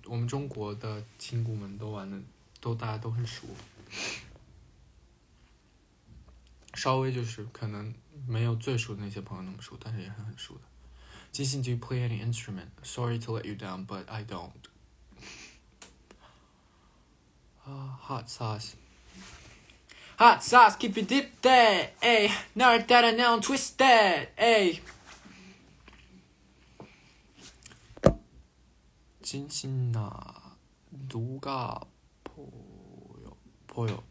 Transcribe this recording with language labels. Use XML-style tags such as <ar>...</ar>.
<zh>我们中国的亲姑们都大家都很熟。稍微就是可能没有最熟的那些朋友那么熟，但是也很熟的。</zh> <en>Jinxin, do you play any instrument? Sorry to let you down, but I don't. Hot sauce. Hot sauce, keep it dipped, ay. Now that I know I'm twisted, ay.</en> <ko>Jinxin, 누가 보여?</ko>